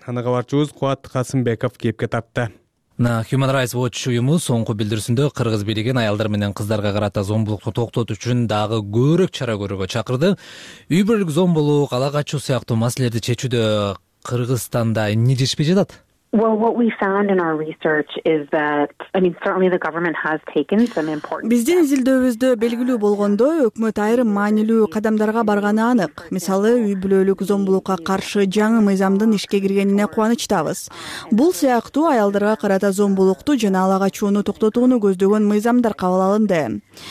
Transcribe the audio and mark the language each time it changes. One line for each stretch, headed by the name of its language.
Kyrgyz: Аны кабарчыбыз Кубат Касымбеков кепке тартты. Human Rights Watch уюму соңку билдирүүсүндө кыргыз бийлиген аялдар менен кыздарга карата зомбулукту токтотуу үчүн дагы көбүрөөк чара көрүүгө чакырды. Үй бүлөлүк зомбулук, ала качуу сыяктуу маселелерди чечүүдө Кыргызстанда эмне жетишпей жатат?
English: Well, what we found in our research is that, certainly the government has taken some important.
Kyrgyz: Биздин изилдөөбүздө белгилүү болгондой, өкмөт айрым маанилүү кадамдарга барганы анык. Мисалы, үй бүлөлүк зомбулукка каршы жаңы мыйзамдын ишке киргенине кубанычтабыз. Бул сыяктуу аялдарга карата зомбулукту жана ала качууну токтотууну көздөгөн мыйзамдар кабыл алынды.